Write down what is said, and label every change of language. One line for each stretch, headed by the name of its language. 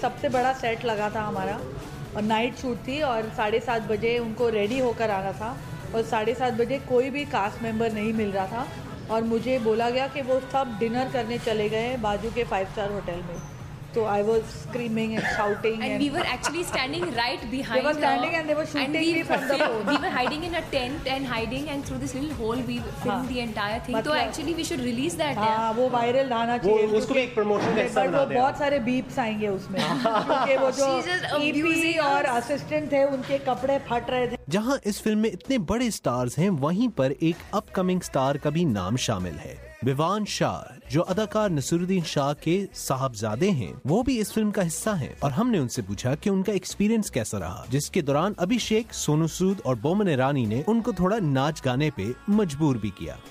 Hindi: सबसे बड़ा सेट लगा था हमारा और नाइट शूट थी और 7:30 बजे उनको रेडी होकर आना था और 7:30 बजे कोई भी कास्ट मेंबर नहीं मिल रहा था और मुझे बोला गया कि वो सब डिनर करने चले गए बाजू के 5-star होटल में.
English: So I was screaming and shouting and we were actually standing right behind her. They were standing and they were shooting me from the We were hiding in a tent and hiding and through this little hole we filmed the entire thing. So actually we should release that.
Hindi: हाँ वो viral आना चाहिए. वो उसको भी एक promotion देना चाहिए. But वो बहुत सारे beeps आएंगे उसमें. क्योंकि वो जो EP और assistant थे उनके कपड़े फट रहे थे. जहाँ इस फिल्म में इतने बड़े stars हैं वहीं पर एक upcoming star का भी नाम शामिल है. विवान शाह जो अदाकार नसीरुद्दीन शाह के साहबजादे हैं वो भी इस फिल्म का हिस्सा हैं और हमने उनसे पूछा कि उनका एक्सपीरियंस कैसा रहा जिसके दौरान अभिषेक, सोनू सूद और बोमन ईरानी ने उनको थोड़ा नाच गाने पे मजबूर भी किया.